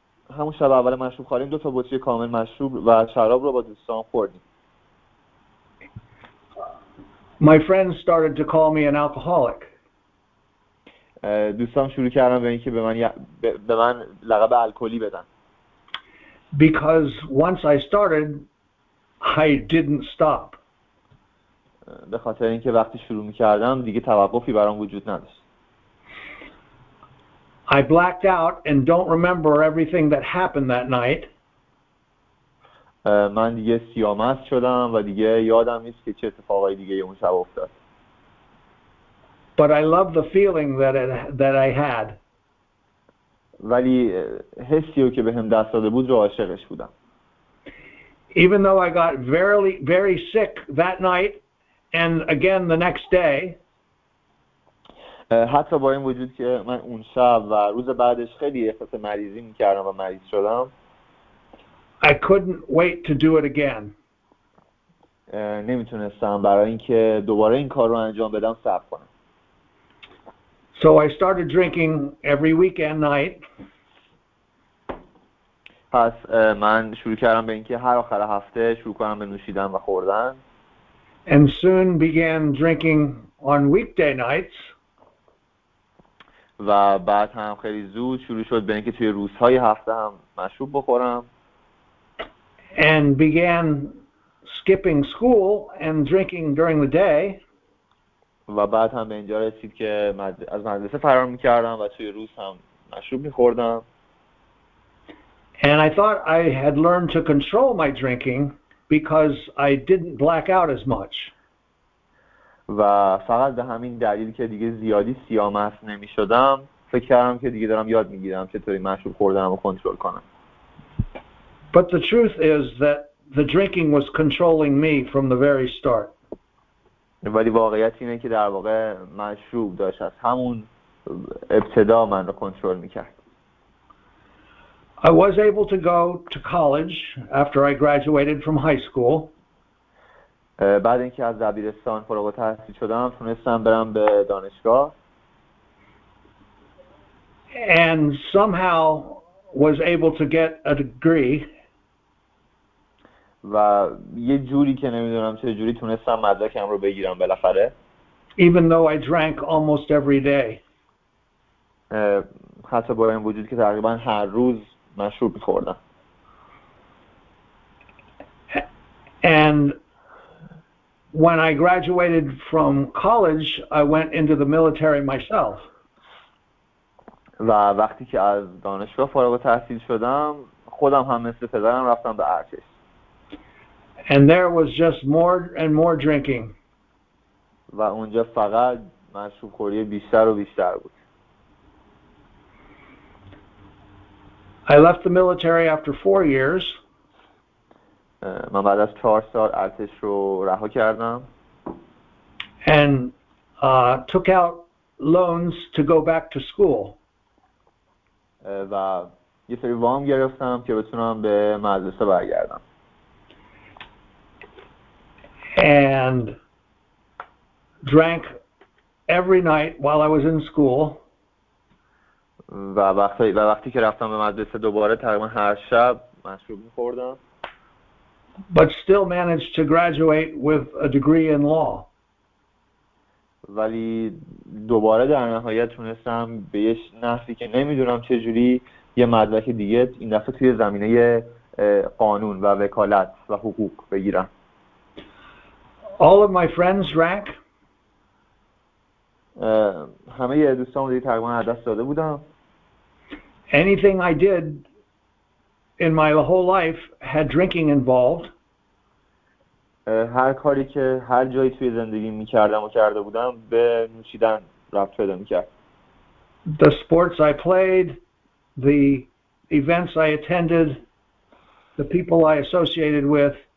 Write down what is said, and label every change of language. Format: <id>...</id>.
<fa>همون شب اول مشروب خوردیم, دو تا بطری کامل مشروب و شراب رو با دوستان خوردیم.</fa> <en>My friends started to call me an alcoholic.</en> <fa>دوستان شروع کردن به اینکه به من لقب الکلی بدن.</fa> <en>Because once I started, I didn't stop.</en> <fa>به خاطر اینکه وقتی شروع می‌کردم دیگه توقفی برام وجود نداشت.</fa> <en>I blacked out and don't remember everything that happened that night.</en> <fa>من دیگه سیاه‌مست شدم و دیگه یادم نیست که چه اتفاقای دیگه اون شب افتاد.</fa> <en>But I love the feeling that I had.</en> <fa>ولی حسی که بهم دست داده بود رو عاشقش بودم.</fa> <en>Even though I got very very sick that night and again the next day.</en> <fa>حتی با این وجود که من اون شب و روز بعدش خیلی احساس مریضی می‌کردم و مریض شدم.</fa> <en>I couldn't wait to do it again.</en> <fa>نمیتونستم برای اینکه دوباره این کار رو انجام بدم صبر کنم.</fa> <en>So I started drinking every weekend night.</en> <fa>پس من شروع کردم به اینکه هر آخر هفته شروع کنم به نوشیدن و خوردن.</fa> <en>And soon began drinking on weekday nights.</en> <fa>و بعد هم خیلی زود شروع شد به اینکه توی روزهای هفته هم مشروب بخورم.</fa> <en>And began skipping school and drinking during the day.</en> <fa>و بعد هم به اینجا رسید که از مدرسه فرار می‌کردم و توی روز هم مشروب می‌خوردم.</fa> <en>And I thought I had learned to control my drinking because I didn't black out as much.</en> <fa>و فقط به همین دلیل که دیگه زیادی سیاه‌مست نمی‌شدم فکر کردم که دیگه دارم یاد می‌گیرم چطوری مشروب خوردنم رو کنترل کنم.</fa> <en>But the truth is that the drinking was controlling me from the very start.</en> <fa>ولی واقعیت اینه که در واقع مشروب داشت از همون ابتدا من رو کنترل می‌کرد.</fa> <en>I was able to go to college after I graduated from high school.</en> <fa>بعد اینکه از دبیرستان فارغ التحصیل شدم تونستم برم به دانشگاه.</fa> <en>And somehow was able to get a degree.</en> <fa>و یه جوری که نمیدونم چه جوری تونستم مدرکم رو بگیرم بالاخره.</fa> <en>Even though I drank almost every day.</en> <fa>حتی با این وجود که تقریبا هر روز مشروب می‌خوردم.</fa> <en>And when I graduated from college, I went into the military myself.</en> <fa>و وقتی که از دانشگاه فارغ التحصیل شدم خودم هم مثل پدرم رفتم به ارتش.</fa> <en>And there was just more and more drinking.</en> <fa>و اونجا فقط مشروب خوری بیشتر و بیشتر بود.</fa> <en>I left the military after 4 years.</en> <fa>من بعد از 4 سال ارتش رو رها کردم.</fa> <en>And took out loans to go back to school.</en> <fa>و یه سری وام گرفتم که بتونم به مدرسه برگردم.</fa> <en>And drank every night while I was in school.</en> <fa>و وقتی که رفتم به مدرسه دوباره تقریبا هر شب مشروب می‌خوردم.</fa> <en>But still managed to graduate with a degree in law.</en> <fa>ولی دوباره در نهایت تونستم به یه نحوی که نمیدونم چه جوری یه مدرک دیگه این دفعه توی زمینه قانون و وکالت و حقوق بگیرم.</fa> <en>All of my friends drank.</en> <fa>همه ی دوستان دیگه تقریبا از دست داده بودم.</fa> <en>Anything I did in my whole life had drinking involved.</en> <fa>هر کاری که هر جایی توی زندگی می‌کردم و کرده بودم به نوشیدن ربط پیدا می‌کرد.</fa> <en>The sports I played, the events I attended, the people I associated with,</en>